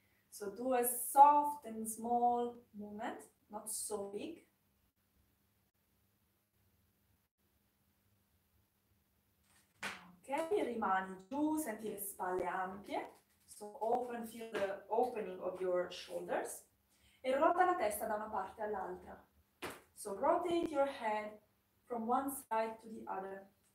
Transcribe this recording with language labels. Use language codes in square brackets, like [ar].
[en] So do a soft and small movement, not so big. [it] Ok, rimani giù, senti le spalle ampie. [en] So open, feel the opening of your shoulders. [it] E ruota la testa da una parte all'altra. [en] So rotate your head from one side to the other.